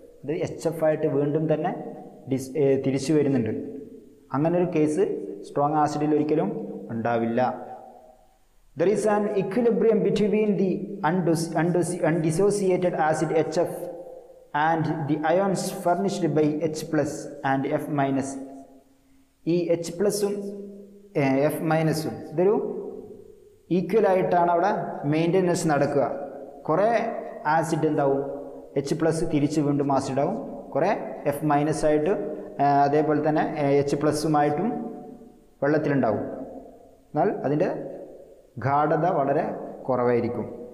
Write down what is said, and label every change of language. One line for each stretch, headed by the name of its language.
Malayalam: ഇത് H F ആയിട്ട് വീണ്ടും തന്നെ തിരിച്ചു വരുന്നുണ്ട്. അങ്ങനൊരു കേസ് സ്ട്രോങ് ആസിഡിൽ ഒരിക്കലും ഉണ്ടാവില്ല.
English: There is an equilibrium between the undissociated acid HF and the ions furnished by H plus and F minus.
Malayalam: E H plus ഉം F minus ഉം ഇതൊരു ഈക്വൽ ആയിട്ടാണ് അവിടെ മെയിൻ്റെനൻസ് നടക്കുക. കുറേ ആസിഡ് എന്താവും, എച്ച് പ്ലസ് തിരിച്ച് വീണ്ടും ആസിഡാവും, കുറേ എഫ് മൈനസ് ആയിട്ട് അതേപോലെ തന്നെ എച്ച് പ്ലസ്സുമായിട്ടും വെള്ളത്തിലുണ്ടാവും, എന്നാൽ അതിൻ്റെ ഗാഢത വളരെ കുറവായിരിക്കും.